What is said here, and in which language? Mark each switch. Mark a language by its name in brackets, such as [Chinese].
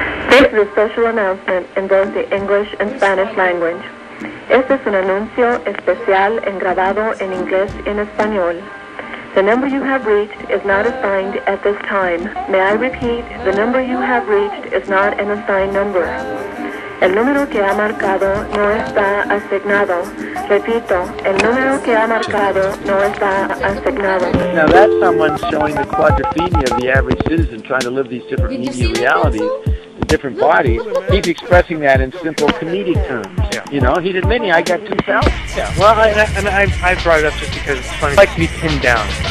[English] This is a special announcement in both the English and Spanish language. [Spanish] Este es un anuncio especial en grabado en inglés y en español. [English] The number you have reached is not assigned at this time. May I repeat, the number you have reached is not an assigned number. [Spanish] El número que ha marcado no está asignado. Repito, el número que ha marcado no está asignado. [English] Now that's someone showing the quadriphenia of the average citizen trying to live these different media realities. Different bodies, he's expressing that in simple comedic terms. Yeah. You know, he did many, I got 2,000. Yeah, well, I brought it up just because it's funny. Like to be pinned down.